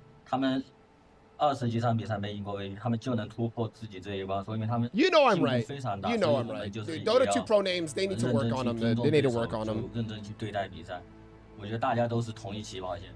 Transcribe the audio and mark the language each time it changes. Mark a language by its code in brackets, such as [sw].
[zh] 他们二十几场比赛没赢过VP，他们就能突破自己这一关，说明他们。 [en] You know I'm right. You know I'm right. Dota 2 Pro names, they need to work on them. They need to work on them. [zh] 认真去对待比赛，我觉得大家都是同一起跑线。